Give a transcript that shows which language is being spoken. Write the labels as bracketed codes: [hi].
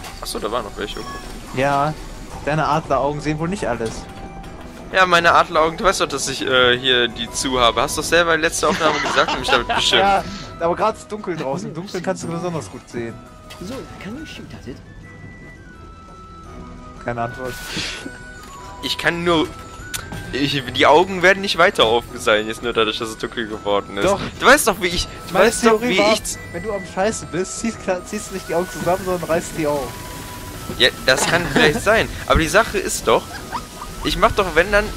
[de] Achso, da waren noch welche. Ja, deine Adleraugen sehen wohl nicht alles. Ja, meine Adleraugen, du weißt doch, dass ich hier die zu habe. Hast du doch selber in letzter Aufnahme gesagt und mich damit beschimpft. Ja, aber gerade ist dunkel draußen. Dunkel kannst du besonders gut sehen. [en] So, can you shoot at it? [de] Keine Antwort. Ich kann nur Die Augen werden nicht weiter offen sein, jetzt nur dadurch, dass es dunkel geworden ist. Doch. Du weißt doch, wie ich... Du weißt doch, wie ich... Wenn du am Scheiße bist, ziehst du nicht die Augen zusammen, sondern reißt die auf. Ja, das kann vielleicht sein. Aber die Sache ist doch... Ich mach doch, wenn dann...